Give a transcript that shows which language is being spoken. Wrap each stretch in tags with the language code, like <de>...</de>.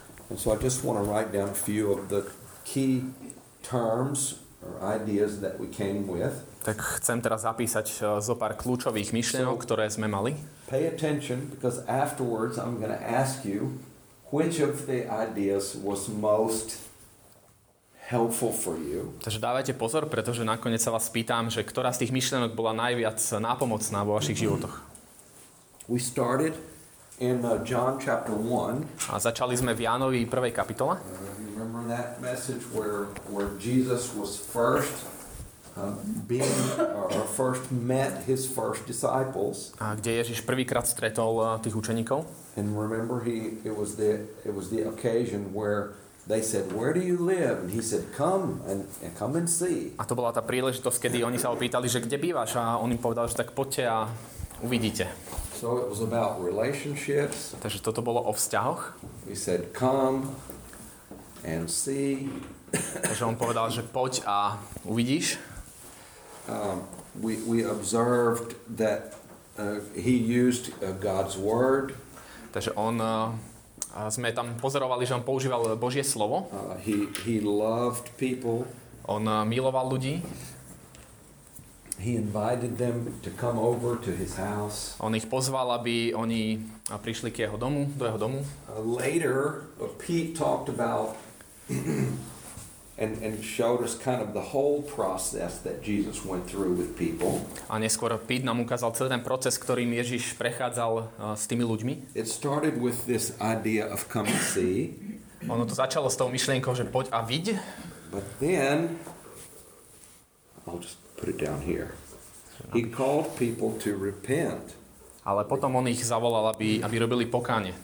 <en>And so I just want to write down a few of the key terms or ideas that we came with.</en> <sk>Tak chcem teraz zapísať zo pár kľúčových myšlienok, ktoré sme mali.</sk> <en>Pay attention because afterwards I'm going to ask you which of the ideas was most helpful for you.</en> <sk>Takže dávajte pozor, pretože nakoniec sa vás pýtam, že ktorá z tých myšlienok bola najviac nápomocná vo vašich životoch.</sk> <en>We started in John chapter 1.</en> <sk>A začali sme v Jánovi 1. kapitole.</sk> <en>Remember that message where Jesus was first being or first met his first disciples.</en> <sk>A kde Ježiš prvýkrát stretol tých učeníkov?</sk> <en>And remember it was the occasion where they said, "Where do you live?" And he said, "Come and see."</en> <sk>A to bola tá príležitosť, kedy oni sa opýtali, že kde bývaš, a on im povedal, že tak poďte a uvidíte.</sk> <en>So it was about relationships.</en> <sk>Takže toto bolo o vzťahoch.</sk> <en>He said, "Come and see."</en> <sk>Takže on povedal, že poď a uvidíš.</sk> <en>We observed that he used God's word.</en> <sk>Takže on sme tam pozorovali, že on používal Božie slovo.</sk> <en>He loved people.</en> <sk>On miloval ľudí.</sk> <en>He invited them to come over to his house.</en> <sk>On ich pozval, aby oni prišli k jeho domu, do jeho domu.</sk> <en>Later, Pete talked about and showed us kind of the whole process that Jesus went through with people.</en> <sk>A neskôr Pete nám ukázal celý ten proces, ktorým Ježiš prechádzal s tými ľuďmi.</sk> <en>It started with this idea of come and see.</en> <sk>Ono to začalo s tou myšlienkou, že poď a vidí.</sk> <en>But then I'll just put it down here. He called people to repent.</en> <sk>Ale potom on ich zavolal, aby robili pokánie.</sk>